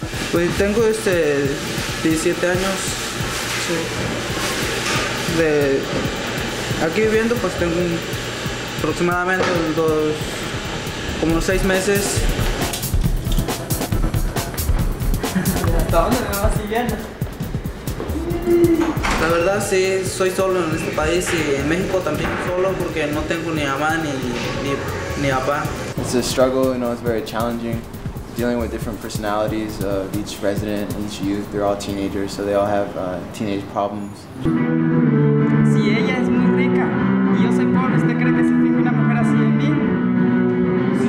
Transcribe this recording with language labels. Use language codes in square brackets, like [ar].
[es] Pues tengo 17 años, sí, de aquí viviendo, pues tengo aproximadamente como 6 meses. ¿Hasta dónde me vas siguiendo? La verdad sí, soy solo en este país y en México también solo porque no tengo ni mamá ni papá. [en] It's a struggle, you know, it's very challenging. Dealing with different personalities of each resident, each youth, they're all teenagers, so they all have teenage problems. [es] Si ella es muy rica y yo soy pobre, ¿usted cree que se fije una mujer así en mí?